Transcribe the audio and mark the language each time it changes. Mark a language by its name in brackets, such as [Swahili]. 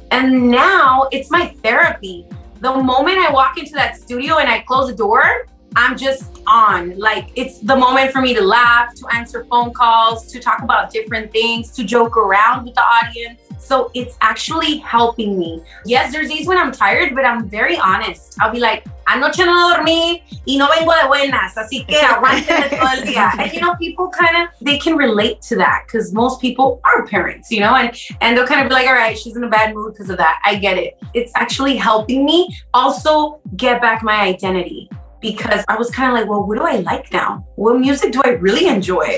[English] And now it's my therapy. The moment I walk into that studio and I close the door, I'm just on. Like, it's the moment for me to laugh, to answer phone calls, to talk about different things, to joke around with the audience. So it's actually helping me. Yes, there's days when I'm tired, but I'm very honest. I'll be like, [Spanish] anoche no dormí y no vengo de buenas, así que aguante todo el día. [English] And you know, people kind of, they can relate to that because most people are parents, you know, and they'll kind of be like, all right, she's in a bad mood because of that. I get it. It's actually helping me also get back my identity. Because I was kind of like, well, what do I like now? What music do I really enjoy?